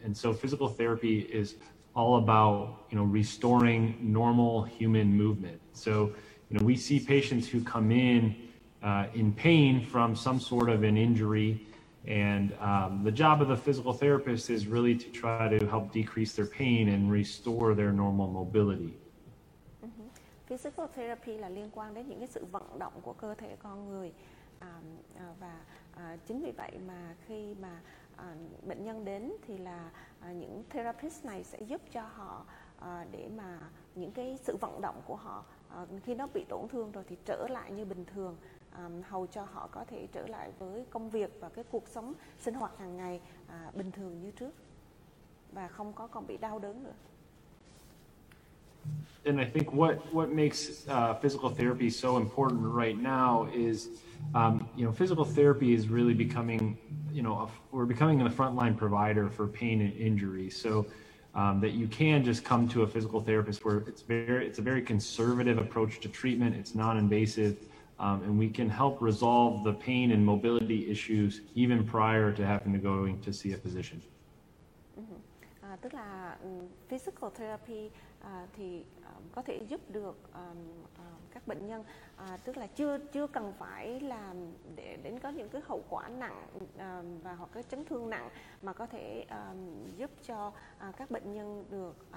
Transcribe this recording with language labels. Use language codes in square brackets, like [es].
[en] And so physical therapy is all about, restoring normal human movement. So, we see patients who come in pain from some sort of an injury, and the job of the physical therapist is really to try to help decrease their pain and restore their normal mobility. [vi] Physical therapy là liên quan đến những cái sự vận động của cơ thể con người và chính vì vậy mà khi mà bệnh nhân đến thì là những therapist này sẽ giúp cho họ để mà những cái sự vận động của họ khi nó bị tổn thương rồi thì trở lại như bình thường, hầu cho họ có thể trở lại với công việc và cái cuộc sống sinh hoạt hàng ngày bình thường như trước và không có còn bị đau đớn nữa. [en] And I think what makes physical therapy so important right now is, physical therapy is really becoming, we're becoming a frontline provider for pain and injury. So that you can just come to a physical therapist where it's a very conservative approach to treatment. It's non-invasive, and we can help resolve the pain and mobility issues even prior to having to going to see a physician. [vi] Tức là physical therapy thì có thể giúp được các bệnh nhân tức là chưa cần phải làm để đến có những cái hậu quả nặng và hoặc cái chấn thương nặng mà có thể giúp cho các bệnh nhân được